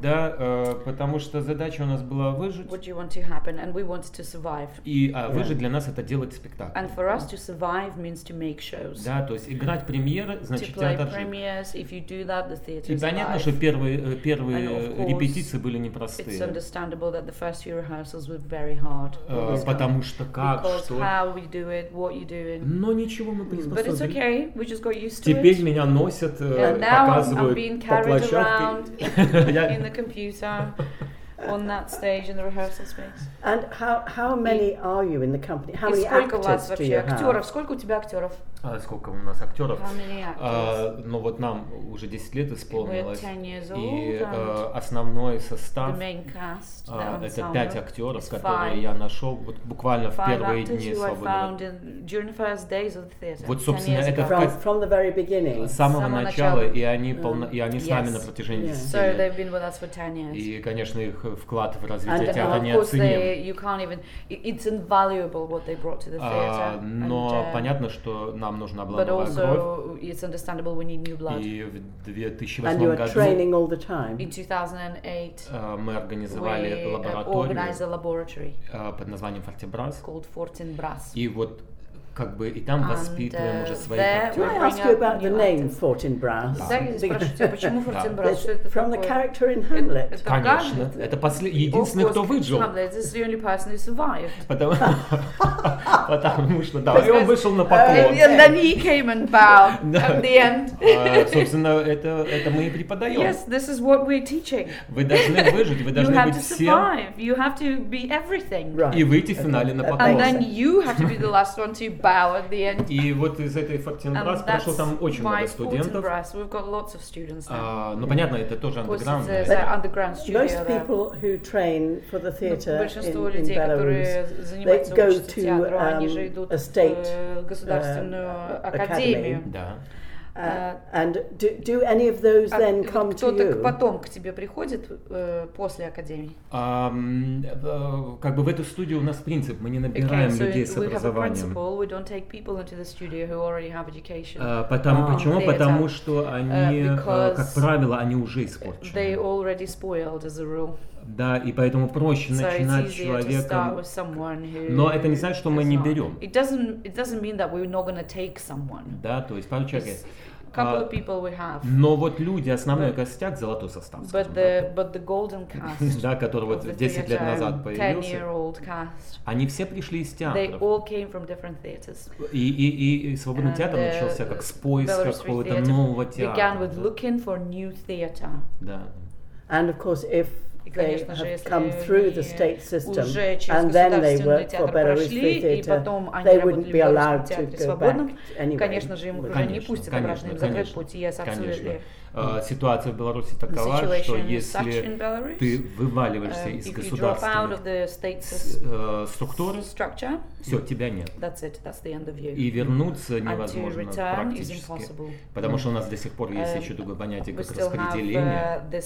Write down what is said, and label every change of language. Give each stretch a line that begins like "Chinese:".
Russian: Да, потому что задача у нас была выжить.
English: you want to happen, and we want to survive.
Russian: И выжить для нас это делать спектакль.
English: And for us to survive means to make shows.
Russian: Да, то есть играть премьеры, значит, театр.
English: To play premieres, if you do that, the theater survives.
Russian: И понятно, что первые репетиции были непростые.
English: It's understandable that the first few rehearsals were very hard.
Russian: Потому что как,
English: because
Russian: что?
English: Because how you do it, what you're doing.
Russian: Но ничего, мы приспособились.
English: But it's okay, we just got used to
Russian: теперь
English: it.
Russian: Теперь меня носят, показывают
English: I'm being carried
Russian: по площадке.
English: Around in the computer. On that stage in the rehearsal space. And how many are you in the company? How many actors do you have?
Russian: Актеров? Сколько у тебя актеров? Сколько у нас актеров?
English: How many actors?
Russian: Но вот нам уже 10 лет исполнилось.
English: We're 10 years old.
Russian: И основной состав.
English: The main cast.
Russian: Это 5 актеров, которые я нашел вот буквально в первые дни свободы.
English: During the first days of the theater.
Russian: Вот собственно это
English: from the very beginning.
Russian: С самого начала и они с нами на протяжении 10 лет.
English: So they've been with us for 10 years.
Russian: И конечно их вклад в развитие театра неоценим.
English: You can't even. It's invaluable what they brought to the theater.
Russian: Но
English: and,
Russian: понятно, что нам нужна была новая кровь.
English: But also, it's understandable we need new blood.
Russian: И в 2008
English: and
Russian: году.
English: And you're training all the time. In 2008.
Russian: Мы организовали лабораторию.
English: We organized a laboratory.
Russian: Под названием Fortinbras.
English: Called Fortinbras.
Russian: И вот как бы и там
English: and,
Russian: воспитываем уже своих актеров.
English: Can I ask you about the name Fortinbras?
Russian: Да. Почему Fortinbras?
English: From the character in Hamlet.
Russian: Конечно. Это единственный, кто выжил.
English: Hamlet is the only person who survived.
Russian: Потому что, да, и он вышел на поклон.
English: And then he came and bowed at the end.
Russian: Собственно, это мы и преподаем.
English: Yes, this is what we're teaching.
Russian: Вы должны выжить, вы должны быть всем.
English: You have to survive. You have to be everything.
Russian: И выйти в финале на поклон.
English: And then you have to be the last one to bow at the end.
Russian: И вот из этой Fortinbras прошло там очень много студентов.
English: We've got lots of students there.
Russian: Ну понятно, это тоже
English: underground. Most people who train for the theater in Belarus, they go to a state academy.
Russian: Да.
English: And do any of those then come to you?
Russian: Кто-то потом к тебе приходит после академии? Как бы в эту студию у нас принцип, мы не набираем людей с образованием.
English: Okay, so we have a principle. We don't take people into the studio who already have education.
Russian: Почему? Потому что они, как правило, они уже испорчены.
English: They already spoiled as a rule.
Russian: Да, и поэтому проще начинать с человека. Но это не значит, что мы не берем.
English: It doesn't mean that we're not gonna take someone.
Russian: Да, то есть пару человек.
English: Couple of people we have.
Russian: Но вот люди, основной костяк, золотой состав.
English: But the golden cast.
Russian: Да, который вот 10 лет назад появился. Они все пришли из театра.
English: They all came from different theaters.
Russian: И свободный театр начался как с поиска какого-то нового театра.
English: Began with looking for new theater.
Russian: Да.
English: And of course, if they have come through the state system and then they work for Belarus Free Theater, they wouldn't be allowed to go back anyway.
Russian: Конечно же, им уже не пустят граждан в закрыт путь,
English: yes, absolutely.
Russian: Ситуация в Беларуси такова, что если ты вываливаешься из государственной структуры, все, тебя нет.
English: That's it, that's the end of you.
Russian: И вернуться невозможно практически, потому что у нас до сих пор есть еще другое понятие, как распределение.